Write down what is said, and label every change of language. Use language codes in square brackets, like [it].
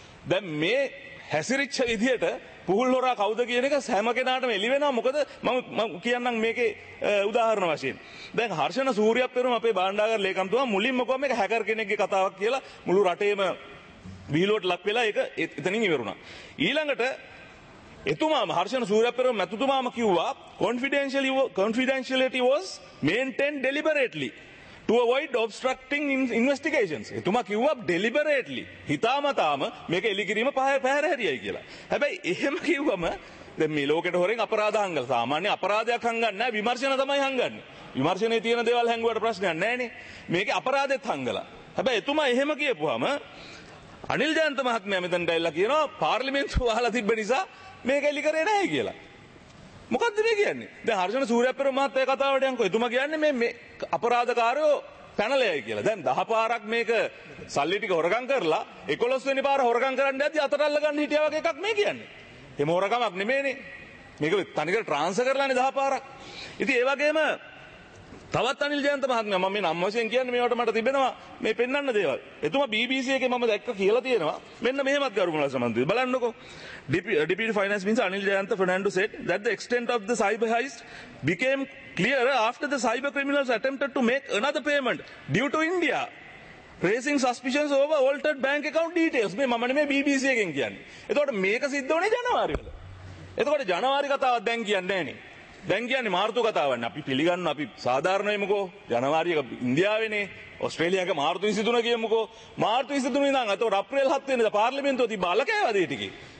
[si] දැන් මේ හැසිරිච්ච විදියට පුහුල් හොරා කවුද කියන එක හැම කෙනාටම එළි වෙනවා. මොකද මම කියන්නම් මේකේ උදාහරණ වශයෙන්. දැන් හර්ෂණ සූර්යප්පේරුම අපේ භාණ්ඩාගාර ලේකම්තුමා මුලින්ම කොහොමද මේක හැකර් කෙනෙක්ගේ කතාවක් කියලා මුළු රටේම විහිළුවට ලක් වෙලා ඒක එතනින් ඉවරුණා. ඊළඟට එතුමාම හර්ෂණ සූර්යප්පේරුම මැතිතුමාම කිව්වා [en] confidentiality was maintained deliberately to avoid obstructing investigations. [si] එතුමා කිව්වා deliberately, හිතාමතාම මේක එලි කිරීම පැහැර හැරියයි කියලා. හැබැයි එහෙම කිව්වම දැන් මේ ලෝකෙට හොරෙන් අපරාධ හංගලා. සාමාන්‍ය අපරාධයක් හංගන්නේ නැහැ, විමර්ශන තමයි හංගන්නේ. විමර්ශනේ තියෙන දේවල් හංගුවට ප්‍රශ්නයක් නැහැනේ. මේක අපරාධෙත් හංගලා. හැබැයි එතුමා එහෙම කියපුවම අනිල් ජයන්ත මහත්මයා මෙතනට ඇවිල්ලා කියනවා පාර්ලිමේන්තුව අහලා තිබ්බ නිසා මේක එලි කරේ නැහැ කියලා. මොකද්ද මේ කියන්නේ? දැන් හර්ෂණ සූර්යප්පර මහත්තයා කතාවට යනකොට එතුමා කියන්නේ මේ අපරාධකාරයෝ පැනලයයි කියලා. දැන් 10 පාරක් මේක සල්ලි ටික හොරගම් කරලා 11 වෙනි පාර හොරගම් කරන්න යද්දි අතරල්ල ගන්න හිටියා වගේ එකක් මේ කියන්නේ. එහෙම හොරගමක් නෙමෙයිනේ. මේක තනිකර ට්‍රාන්ස්ෆර් කරලානේ 10 පාරක්. ඉතින් ඒ වගේම තවත් අනිල් ජයන්ත මහත්මයා මම මේ නම් වශයෙන් කියන්නේ මේවට මට තිබෙනවා මේ පෙන්වන්න දේවල්. එතුමා BBC එකේ මම දැක්ක කියලා තියෙනවා. මෙන්න මෙහෙමත් ගරු මුලස්සන මන්ත්‍රී බලන්නකෝ. [en] Deputy Finance Minister Anil Jayantha Fernando said that the extent of the cyber heist became clear after the cyber criminals attempted to make another payment due to India raising suspicions over altered bank account details. [si] මේ මම නෙමෙයි BBC එකෙන් කියන්නේ. එතකොට මේක සිද්ධ වුණේ ජනවාරි වල. එතකොට ජනවාරි කතාවක් දැන් කියන්නේ නැහනේ. දැන් කියන්නේ මාර්තු කතාවක්. අපි පිළිගන්න අපි සාධාරණයිමකෝ. ජනවාරි එක ඉන්දියාවේනේ. ඔස්ට්‍රේලියාක මාර්තු 23 කියමුකෝ. මාර්තු 23 ඉඳන් අතෝ අප්‍රේල් 7 වෙනිදා පාර්ලිමේන්තුව තිබ්බ අලකෑවද ඒ ටිකේ.